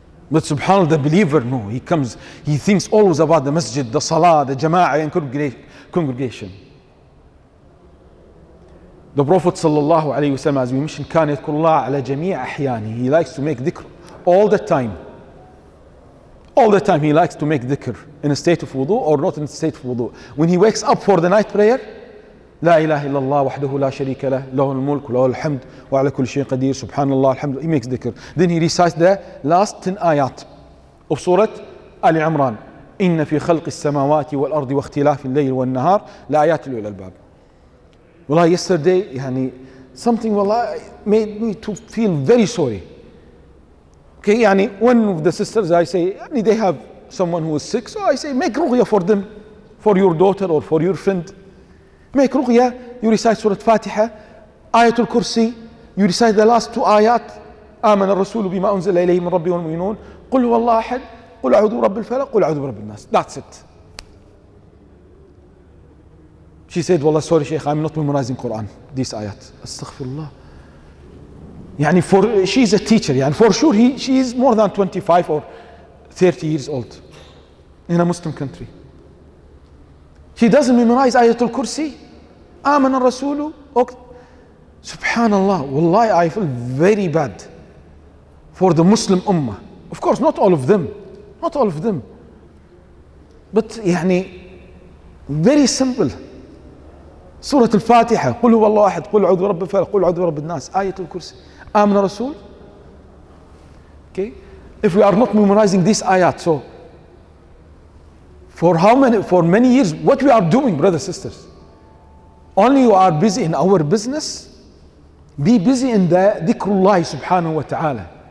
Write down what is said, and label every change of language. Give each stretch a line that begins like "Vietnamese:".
English: But subhanAllah, the believer, no. He comes, he thinks always about the masjid, the salah, the jama'ah, and congregation. The Prophet sallallahu alayhi wasallam, as we mentioned,
Arabic: كان يذكر الله على جميع أحيانه.
English: He likes to make dhikr all the time. All the time he likes to make dhikr in a state of wudu or not in a state of wudu. When he wakes up for the night prayer,
Arabic: لا إله إلا الله وحده لا شريك له, له الملك وله الحمد وعلى كل شيء قدير, سبحان الله الحمد.
English: He makes dhikr. Then he recites the last 10 آيات of Surah Ali Imran.
Arabic: إن في خلق السماوات والأرض واختلاف الليل والنهار لآيات أولي الألباب.
English: Well, yesterday, yani, something made me to feel very sorry. Okay, yani, one of the sisters, I say, yani, they have someone who is sick, so I say, make ruqya for them, for your daughter or for your friend. Make ruqya, you recite Surah Fatiha, Ayatul Kursi, you recite the last two ayat,
Arabic: آمن الرسول بما أنزل إليه من ربي والمؤمنون, قل هو الله أحد, قل أعوذ برب الفلق, قل أعوذ برب الناس.
English: That's it. She said, wallah, sorry, Shaykh, I'm not memorizing Quran, this ayat. Astaghfirullah. Yani for, she's a teacher, yani for sure she is more than 25 or 30 years old in a Muslim country. She doesn't memorize Ayatul Kursi. Aman al-Rasulu. Subhanallah, wallah, I feel very bad for the Muslim ummah. Of course, not all of them. Not all of them. But yani, very simple.
Arabic: سورة الفاتحة قل هو الله أحد قل أعوذ برب الفلق قل أعوذ برب الناس آية الكرسي آمن الرسول.
English: Okay, if we are not memorizing this ayat, so for many years what we are doing, brothers sisters? Only you are busy in our business. Be busy in the dhikrullah subhanahu wa ta'ala.